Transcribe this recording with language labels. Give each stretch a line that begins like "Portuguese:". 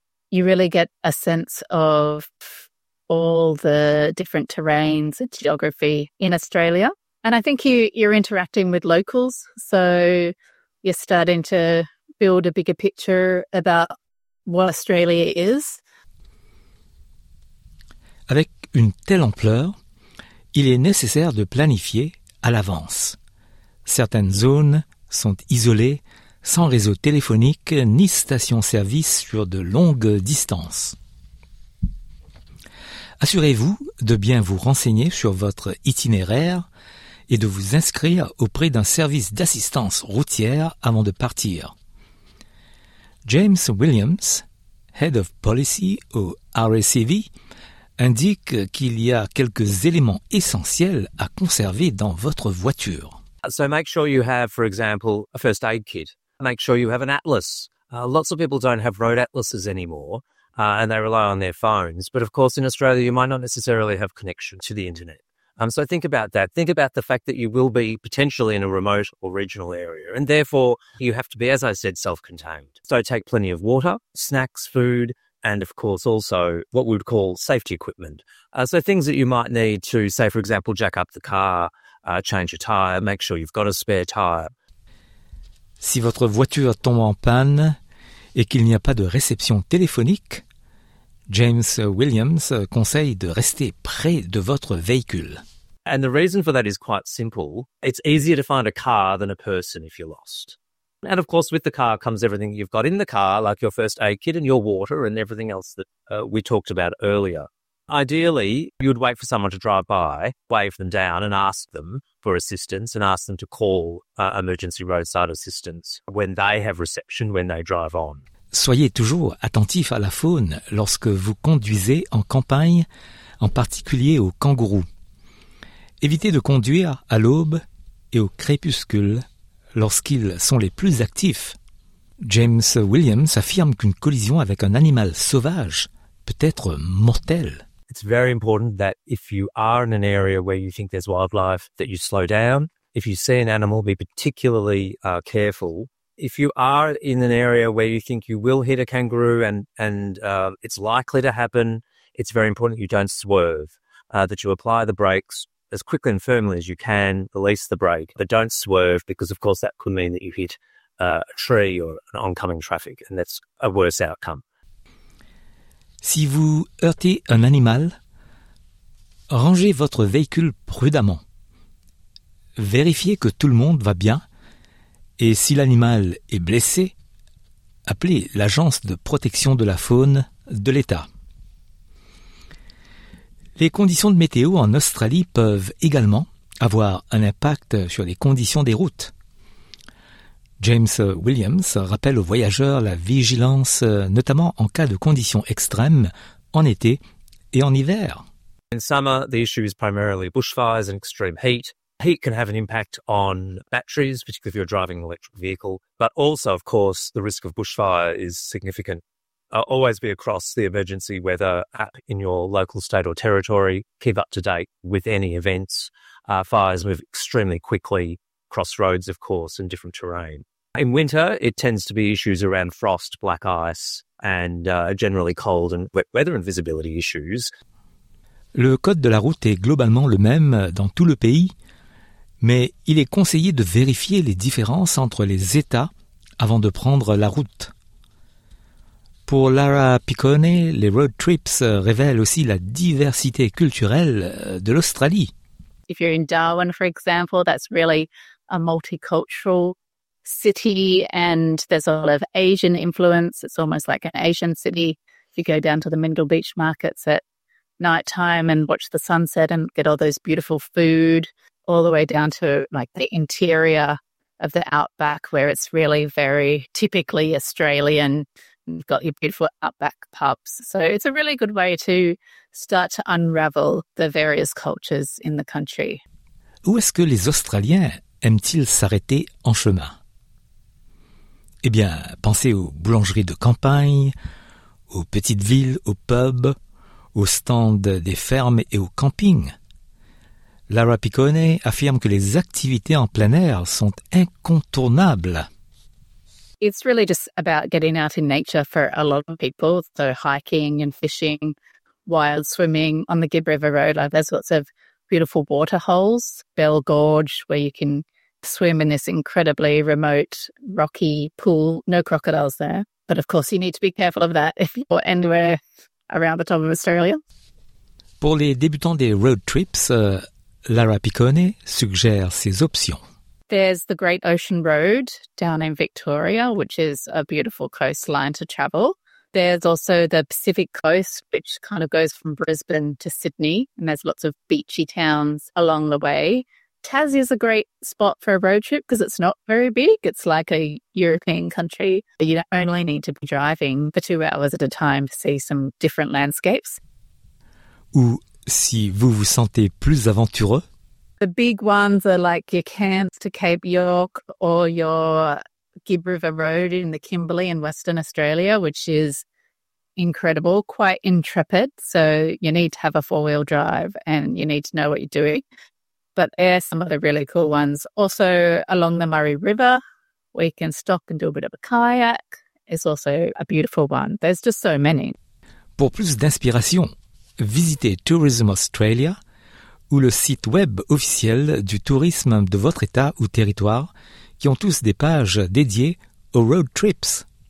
English: You really get a sense of all the different terrains and geography in Australia. And I think you're interacting with locals, so you're starting to build a bigger picture about what Australia is.
French: Avec une telle ampleur, il est nécessaire de planifier à l'avance. Certaines zones sont isolées, sans réseau téléphonique ni station-service sur de longues distances. Assurez-vous de bien vous renseigner sur votre itinéraire et de vous inscrire auprès d'un service d'assistance routière avant de partir. James Williams,
English: Head of Policy
French: au RACV, indique qu'il y a quelques éléments essentiels à conserver dans votre voiture.
English: So make sure you have, for example, a first aid kit. Make sure you have an atlas. Lots of people don't have road atlases anymore, and they rely on their phones. But of course, in Australia, you might not necessarily have connection to the internet. So think about that. Think about the fact that you will be potentially in a remote or regional area, and therefore you have to be, as I said, self-contained. So take plenty of water, snacks, food, and of course also what we would call safety equipment. So things that you might need to, say, for example, jack up the car, change your tire, make sure you've got a spare tire.
French: Si votre voiture tombe en panne et qu'il n'y a pas de réception téléphonique, James Williams conseille de rester près de votre véhicule.
English: And the reason for that is quite simple. It's easier to find a car than a person if you're lost. And of course, with the car comes everything you've got in the car, like your first aid kit and your water and everything else that we talked about earlier. Ideally, you would wait for someone to drive by, wave them down and ask them for assistance and ask them to call emergency roadside assistance when they have reception, when they drive on.
French: Soyez toujours attentif à la faune lorsque vous conduisez en campagne, en particulier aux kangourous. Évitez de conduire à l'aube et au crépuscule lorsqu'ils sont les plus actifs. James Williams affirme qu'une collision avec un animal sauvage peut être mortelle.
English: It's very important that if you are in an area where you think there's wildlife, that you slow down. If you see an animal, be particularly careful. If you are in an area where you think you will hit a kangaroo and it's likely to happen, it's very important you don't swerve, that you apply the brakes as quickly and firmly as you can, release the brake, but don't swerve because, of course, that could mean that you hit a tree or an oncoming traffic, and that's a worse outcome.
French: Si vous heurtez un animal, rangez votre véhicule prudemment. Vérifiez que tout le monde va bien. Et si l'animal est blessé, appelez l'Agence de protection de la faune de l'État. Les conditions de météo en Australie peuvent également avoir un impact sur les conditions des routes. James Williams rappelle aux voyageurs la vigilance, notamment en cas de conditions extrêmes, en été et en hiver.
English: In summer, the issue is primarily bushfires and extreme heat. Heat can have an impact on batteries, particularly if you're driving an electric vehicle. But also, of course, the risk of bushfire is significant. Always be across the emergency weather app in your local state or territory. Keep up to date with any events. Fires move extremely quickly. Crossroads, of course, and different terrain. In winter, it tends to be issues around frost, black ice, and generally cold and wet weather and visibility issues.
French: Le code de la route est globalement le même dans tout le pays, mais il est conseillé de vérifier les différences entre les États avant de prendre la route. Pour Lara Piccone, les road trips révèlent aussi la diversité culturelle de l'Australie.
English: If you're in Darwin, for example, that's really a multicultural city, and there's a lot of Asian influence. It's almost like an Asian city. You go down to the Mindel Beach markets at nighttime and watch the sunset and get all those beautiful food, all the way down to like the interior of the outback, where it's really very typically Australian You've got your beautiful outback pubs. So it's a really good way to start to unravel the various cultures in the country.
French: Où est-ce que les Australiens aiment-ils s'arrêter en chemin? Eh bien, pensez aux boulangeries de campagne, aux petites villes, aux pubs, aux stands des fermes et aux campings. Lara Piccone affirme que les activités en plein air sont incontournables.
English: It's really just about getting out in nature for a lot of people. So hiking and fishing, wild swimming on the Gibb River Road. Like there's lots of beautiful water holes, Bell Gorge, where you can swim in this incredibly remote, rocky pool. No crocodiles there. But of course, you need to be careful of that if you're anywhere around the top of Australia.
French: Pour les débutants des road trips, Lara Piccone suggère ses options.
English: There's the Great Ocean Road down in Victoria, which is a beautiful coastline to travel. There's also the Pacific Coast, which kind of goes from Brisbane to Sydney, and there's lots of beachy towns along the way. Tassie is a great spot for a road trip because it's not very big. It's like a European country. You only need to be driving for 2 hours at a time to see some different landscapes.
French: Ou si vous vous sentez plus aventureux,
English: the big ones are like your Cairns to Cape York or your Gibb River Road in the Kimberley in Western Australia, which is incredible, quite intrepid. So you need to have a four-wheel drive and you need to know what you're doing. But there are some of the really cool ones. Also along the Murray River, where you can stop and do a bit of a kayak, is also a beautiful one. There's just so many.
French: Pour plus d'inspiration, visitez Tourism Australia ou le site web officiel du tourisme de votre état ou territoire, qui ont tous des pages dédiées aux road trips.